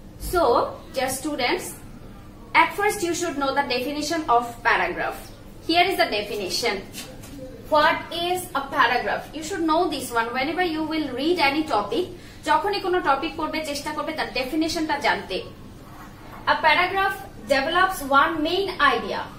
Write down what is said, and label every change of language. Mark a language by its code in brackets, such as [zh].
[en] So dear students, at first you should know the definition of paragraph. Here is the definition. What is a paragraph? You should know this one whenever you will read any topic. [bn] যখনই কোনো topic পড়বে চেষ্টা করবে তার ডেফিনিশনটা জানতে। [en] A paragraph develops one main idea.